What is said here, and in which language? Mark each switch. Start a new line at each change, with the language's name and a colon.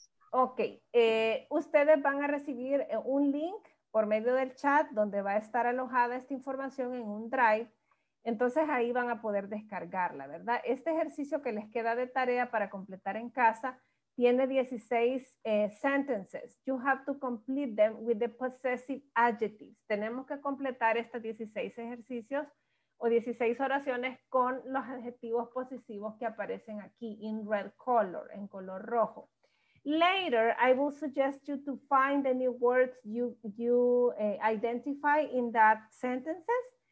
Spanish: Ok, ustedes van a recibir un link por medio del chat donde va a estar alojada esta información en un drive. Entonces ahí van a poder descargarla, ¿verdad? Este ejercicio que les queda de tarea para completar en casa tiene 16 sentences.
English: You have to complete them with the possessive adjectives.
Spanish: Tenemos que completar estas 16 ejercicios o 16 oraciones con los adjetivos posesivos que aparecen aquí
English: in red color,
Spanish: en color rojo.
English: Later, I will suggest you to find the new words you identify in that sentences.